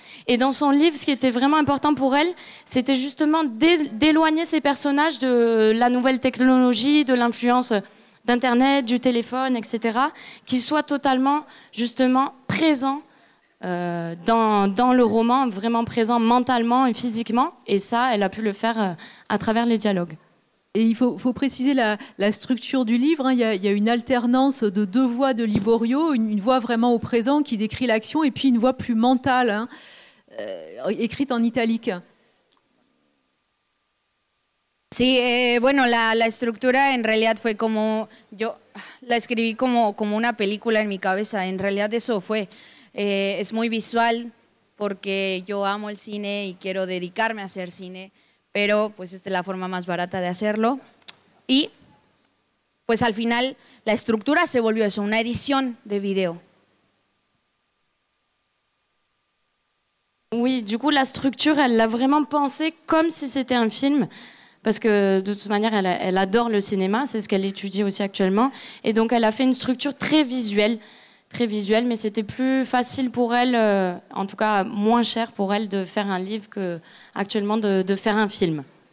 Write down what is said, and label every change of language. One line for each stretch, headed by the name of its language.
French: Et dans son livre, ce qui était vraiment important pour elle, c'était justement d'éloigner ses personnages de la nouvelle technologie, de l'influence d'Internet, du téléphone, etc., qu'ils soient totalement, justement, présents dans le roman, vraiment présents mentalement et physiquement. Et ça, elle a pu le faire à travers les dialogues. Et il faut préciser la structure du livre. Il y a une alternance de deux voix de Liborio, une voix vraiment au présent qui décrit l'action, et puis une voix plus mentale, hein. Écrite en italique.
Spanish: Sí, bueno, la estructura en realidad fue como, yo la escribí como una película en mi cabeza, en realidad eso fue, es muy visual porque yo amo el cine y quiero dedicarme a hacer cine, pero pues esta es la forma más barata de hacerlo y pues al final la estructura se volvió eso, una edición de video.
French: Oui, du coup la structure, elle l'a vraiment pensé comme si c'était un film. Parce que de toute manière, elle adore le cinéma, c'est ce qu'elle étudie aussi actuellement. Et donc, elle a fait une structure très visuelle, mais c'était plus facile pour elle, en tout cas moins cher pour elle, de faire un livre qu'actuellement de faire un film.